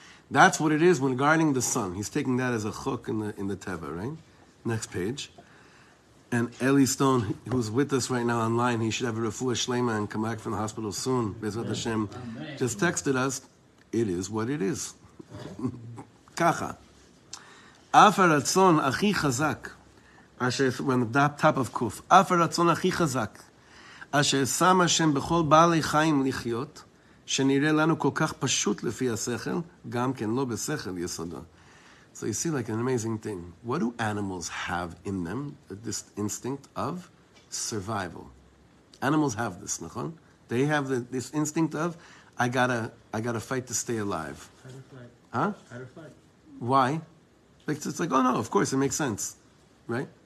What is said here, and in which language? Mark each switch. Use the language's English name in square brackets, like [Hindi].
[English] That's what it is when guarding the sun. He's taking that as a chuk in the Teva, right? Next page. And Ellie Stone, who's with us right now online, he should have a refuah shleima and come back from the hospital soon, Bezrat Hashem, Amen. Just texted us, it is what it is. Kacha. [Hebrew] Af haratzon achi chazak, asher, [English] when the top of kuf, [Hebrew] af haratzon achi chazak, asher sam Hashem b'chol ba'alei chayim lichyot, שנראה לנו כל כך פשוט לפי השכל, גם כן לא בשכל יסודו. [English] So you see like an amazing thing. What do animals have in them, this instinct of survival? Animals have this, נכון? They have this instinct of, I gotta fight to stay alive. Fight or flight. Why? It's like, oh no, of course, it makes sense, right?